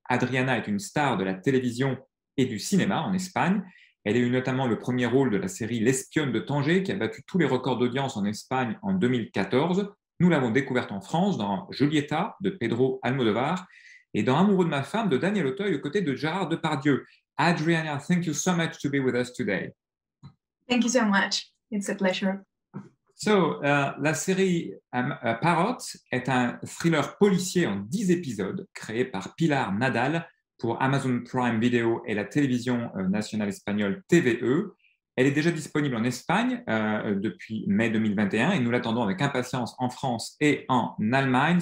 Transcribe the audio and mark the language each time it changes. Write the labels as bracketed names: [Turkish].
[French] Adriana est une star de la télévision et du cinéma en Espagne. Elle a eu notamment le premier rôle de la série L'espionne de Tanger qui a battu tous les records d'audience en Espagne en 2014. Nous l'avons découverte en France dans Julieta de Pedro Almodóvar et dans Amoureux de ma femme de Daniel Auteuil aux côtés de Gérard Depardieu. [English] Adriana, thank you so much to be with us today. Thank you so much. It's a pleasure. [French] So, la série Parot est un thriller policier en 10 épisodes créé par Pilar Nadal pour Amazon Prime Video et la télévision nationale espagnole TVE. Elle est déjà disponible en Espagne depuis mai 2021 et nous l'attendons avec impatience en France et en Allemagne.